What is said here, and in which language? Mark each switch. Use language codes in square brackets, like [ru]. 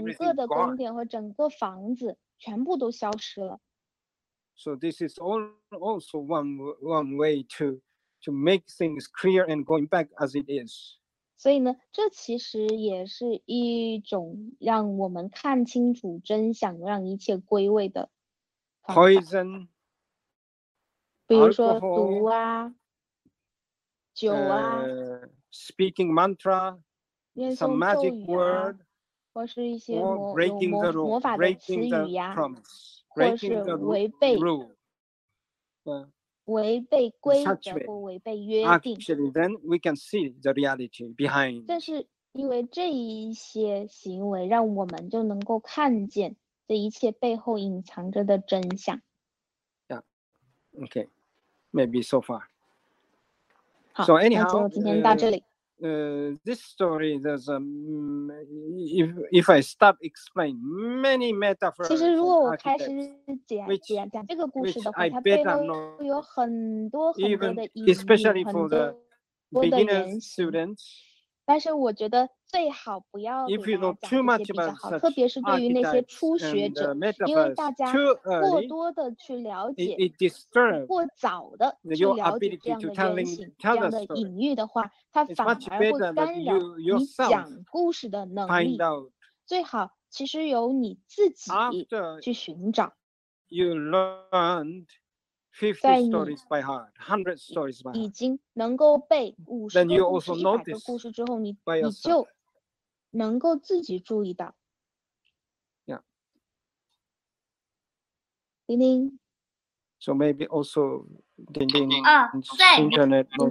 [zh] 就整个的宫殿和整个房子全部都消失了。 [en] So this is also one way to make things clear and going back as it is. [zh] 所以呢，这其实也是一种让我们看清楚真相，让一切归位的方法。 [en] Poison, [zh] 比如说毒啊， [en] alcohol, [zh] 酒啊， [en] speaking mantra, [zh] 念诵咒语啊， [en] some magic word, [zh] 或是一些 [en] breaking the rule, [zh] 魔法的词语呀、啊，或是违背。 [en] Rule, [zh] 违背规则或违背约定。 [en] Actually, then we can see the reality behind. [zh] 但是因为这一些行为，让我们就能够看见这一切背后隐藏着的真相。 [en] Yeah. Okay. Maybe so far. [zh] 好。 [en] So anyhow, [zh] 那就今天到这里。 [en] This story, there's a if I stop explaining many metaphors. [zh] 其实如果我开始讲这个故事的话，它背后有很多很多的隐喻，很多的 [en] especially for the beginner students. [zh] 但是我觉得最好不要给大家讲这些比较好，特别是对于那些初学者，因为大家过多的去了解，过早的去了解这样的人性、这样的隐喻的话，它反而会干扰你讲故事的能力。最好其实由你自己去寻找。 [en] You learned 50 stories by heart, 100 stories by heart. [zh] 已经能够背50个故事之后，你就能够自己注意到。 [en] Yeah. [zh] 叮叮。 [en] So maybe also 叮叮。 [zh] 在。 [en] Internet.